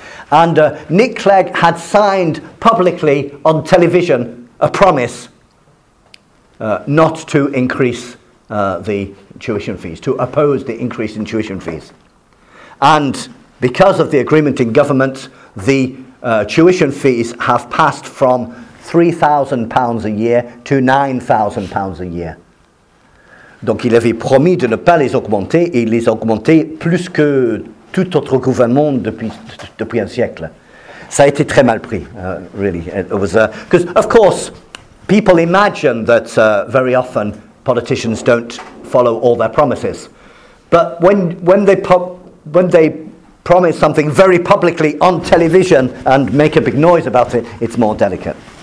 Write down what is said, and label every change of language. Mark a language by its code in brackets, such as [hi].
[en] And Nick Clegg had signed publicly on television a promise not to increase the tuition fees, to oppose the increase in tuition fees. And because of the agreement in government, the tuition fees have passed from £3,000 a year to £9,000 a year. [fr] Donc il avait promis de ne pas les augmenter, et il les a augmentés plus que tout autre gouvernement depuis un siècle. Ça a été très mal pris, [en] really. It was because, of course, people imagine that very often politicians don't follow all their promises. But when they promise something very publicly on television and make a big noise about it, it's more delicate.